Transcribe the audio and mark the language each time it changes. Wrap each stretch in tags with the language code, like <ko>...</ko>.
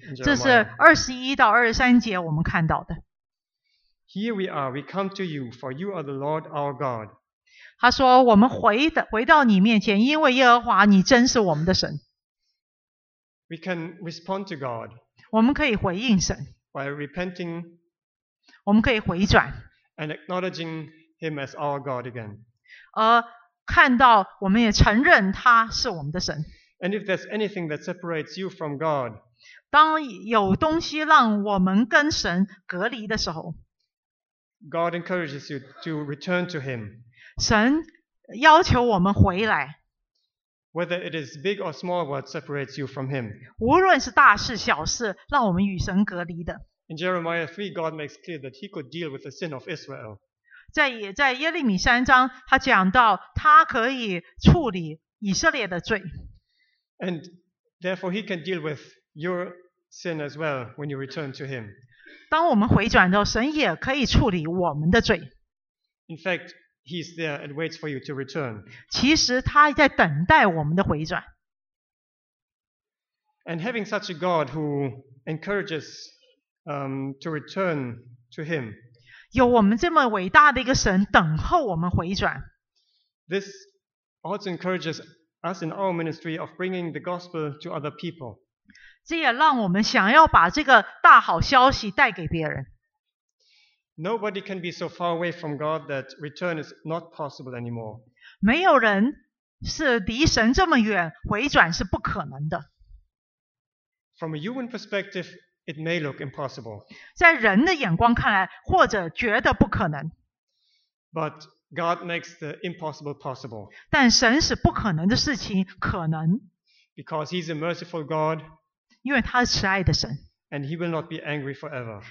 <zh>这是二十一到二十三节我们看到的。</zh> <en>Here we are. We come to you, for you are the Lord our God.</en> <zh>他说我们 回到你面前，因为耶和华你真是我们的神。</zh> <en>We can respond to God.</en> <zh>我们可以回应神。</zh> <en>By repenting.</en> <zh>我们可以回转。</zh> <en>And acknowledging him as our God again.</en> <zh>而看到我们也承认他是我们的神。</zh> <en>And if there's anything that separates you from God.</en> <zh>当有东西让我们跟神隔离的时候，</zh> <en>God encourages you to return to him.</en> <zh>神要求我们回来。</zh> <en>Whether it is big or small, what separates you from Him?</en> <zh>无论是大事小事，让我们与神隔离的。</zh> <en>In Jeremiah 3, God makes clear that He could deal with the sin of Israel.</en> <zh>在耶利米三章，他讲到他可以处理以色列的罪。</zh> <en>And therefore, He can deal with your sin as well when you return to Him.</en> <zh>当我们回转之后，神也可以处理我们的罪。</zh> <en>In fact,He's there and waits for you to return.</en> <zh>其实他在等待我们的回转。</zh> <en>And having such a God who encourages to return to Him.</en> <zh>有我们这么伟大的一个神等候我们回转。</zh> <en>This also encourages us in our ministry of bringing the gospel to other people.</en> <zh>这也让我们想要把这个大好消息带给别人。</zh> <en>Nobody can be so far away from God that return is not possible anymore.</en> <zh>没有人是离神这么远，回转是不可能的。</zh> <en>From a human perspective, it may look impossible.</en> <zh>在人的眼光看来，或者觉得不可能。</zh> <en>But God makes the impossible possible.</en> <zh>但神使不可能的事情可能。</zh> <en>Because He's a merciful God.</en> <zh>因为他是慈爱的神。</zh> <en>And He will not be angry forever.</en>